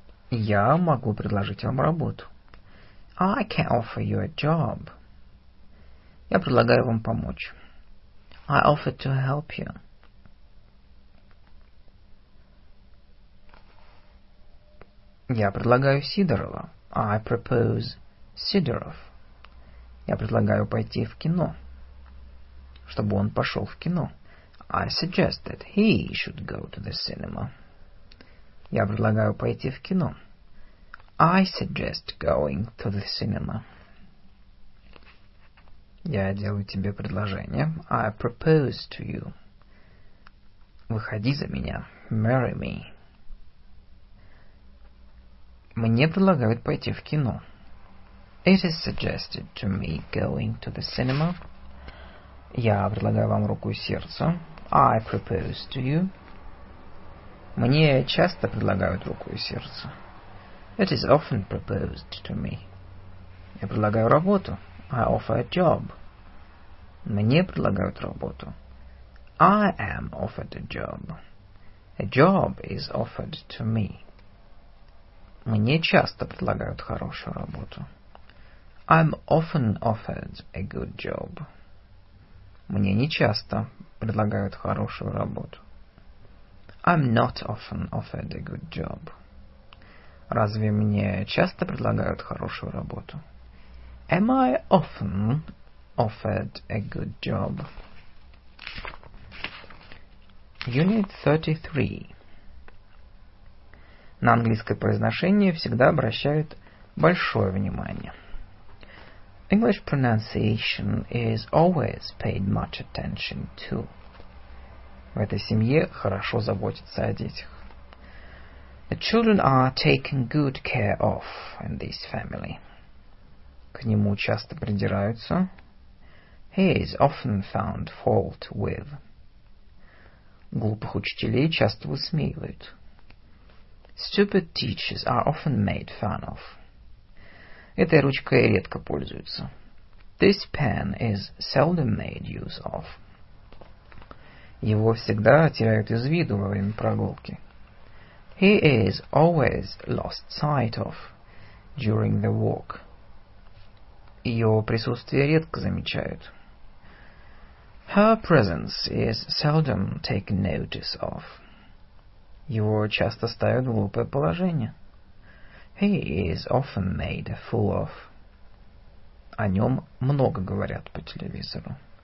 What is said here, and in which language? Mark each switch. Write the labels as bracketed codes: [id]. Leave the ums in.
[ru] Я могу предложить вам работу. [en] I can offer you a job. [ru] Я предлагаю вам помочь. [en] I offer to help you. [ru] Я предлагаю Сидорова. [en] I propose Сидоров. [ru] Я предлагаю пойти в кино. Чтобы он пошел в кино. [en] I suggest that he should go to the cinema. [ru] Я предлагаю пойти в кино. [en] I suggest going to the cinema. [ru] Я делаю тебе предложение. [en] I propose to you. [ru] Выходи за меня. [en] Marry me. [ru] Мне предлагают пойти в кино. [en] It is suggested to me going to the cinema. [ru] Я предлагаю вам руку и сердце. [en] I propose to you. [ru] Мне часто предлагают руку и сердце. [en] It is often proposed to me. [ru] Я предлагаю работу. [en] I offer a job. [ru] Мне предлагают работу. [en] I am offered a job. A job is offered to me. [ru] Мне часто предлагают хорошую работу. [en] I'm often offered a good job. [ru] Мне не часто предлагают хорошую работу. [en] I'm not often offered a good job. [ru] Разве мне часто предлагают хорошую работу? [en] Am I often offered a good job? Unit 33. [ru] На английское произношение всегда обращают большое внимание. [en] English pronunciation is always paid much attention to. [ru] В этой семье хорошо заботятся о детях. [en] The children are taken good care of in this family. [ru] К нему часто придираются. [en] He is often found fault with. [ru] Глупых учителей часто высмеивают. [en] Stupid teachers are often made fun of. [ru] Этой ручкой редко пользуются. [en] This pen is seldom made use of. [ru] Его всегда теряют из виду во время прогулки. [en] He is always lost sight of during the walk. [ru] Ее присутствие редко замечают. [en] Her presence is seldom taken notice of. [ru] Его часто ставят в глупое положение. [en] He is often made a fool of. [ru] О нем много говорят по телевизору.